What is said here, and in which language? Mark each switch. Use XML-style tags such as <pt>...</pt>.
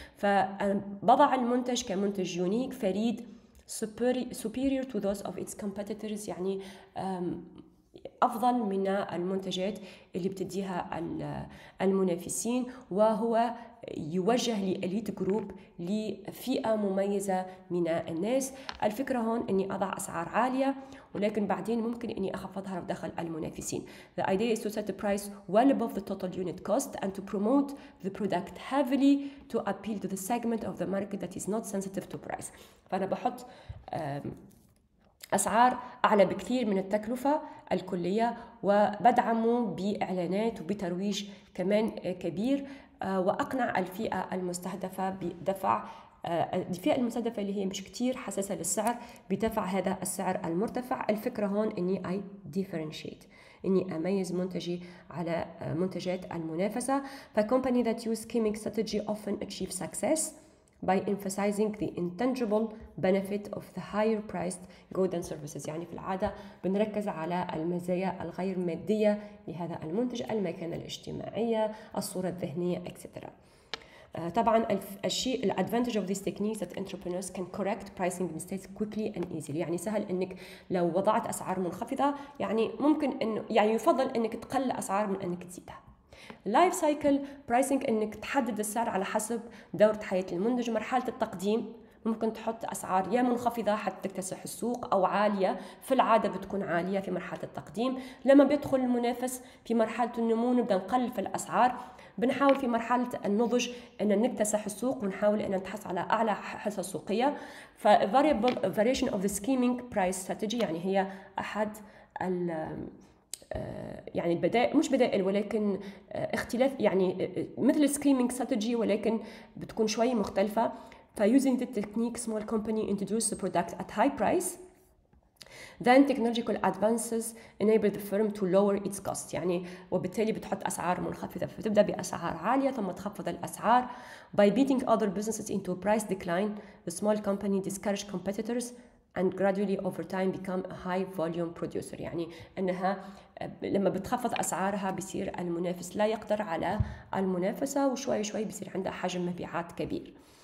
<ar>فبضع المنتج كمنتج يونيك فريد،</ar> <en>superior to those of its competitors،</en> <ar>يعني أفضل من المنتجات اللي بتديها المنافسين، وهو يوجه لأليت جروب، لفئة مميزة من الناس. الفكرة هون أني أضع أسعار عالية ولكن بعدين ممكن أني أخفضها لو دخل المنافسين.</ar> <en>The idea is to set the price well above the total unit cost and to promote the product heavily to appeal to the segment of the market that is not sensitive to price.</en> <ar>فأنا بحط أسعار أعلى بكثير من التكلفة الكلية، وبدعمه بإعلانات وبترويج كمان كبير، وأقنع الفئة المستهدفة بدفع الفئة المستهدفة اللي هي مش كتير حساسة للسعر بدفع هذا السعر المرتفع. الفكرة هون إني</ar> <en>I differentiate،</en> <ar>إني أميز منتجي على منتجات المنافسة.</ar> <en>فcompany that use skimming strategy often achieve success by emphasizing the intangible benefit of the higher priced goods and services.</en> <ar>يعني في العادة بنركز على المزايا الغير مادية لهذا المنتج، المكانة الاجتماعية، الصورة الذهنية، etc. طبعا الشيء الـ</ar> <en>advantage of these techniques that entrepreneurs can correct pricing mistakes quickly and easily.</en> <ar>يعني سهل انك لو وضعت اسعار منخفضة، يعني ممكن انه يعني يفضل انك تقلل اسعار من انك تزيدها.</ar> <en>Life cycle pricing،</en> <ar>انك تحدد السعر على حسب دورة حياة المنتج، مرحلة التقديم، ممكن تحط اسعار يا منخفضة حتى تكتسح السوق او عالية، في العادة بتكون عالية في مرحلة التقديم. لما بيدخل المنافس في مرحلة النمو نبدأ نقلل في الاسعار، بنحاول في مرحلة النضج ان نكتسح السوق ونحاول ان نتحصل على اعلى حصة سوقية. ف</ar> <en>variation of the scheming price strategy،</en> <ar>يعني هي احد ال يعني البدائل، مش بدائل ولكن اختلاف، يعني مثل سكيمينج ستراتيجي ولكن بتكون شوي مختلفة.</ar> <en>فusing the technique small company introduce the product at high price then technological advances enable the firm to lower its cost،</en> <ar>يعني وبالتالي بتحط أسعار منخفضة فتبدأ بأسعار عالية ثم تخفض الأسعار.</ar> <en>by beating other businesses into a price decline the small company discourage competitors and gradually over time become a high volume producer،</en> <ar>يعني انها لما بتخفض اسعارها بيصير المنافس لا يقدر على المنافسة وشوي شوي بيصير عندها حجم مبيعات كبير.</ar>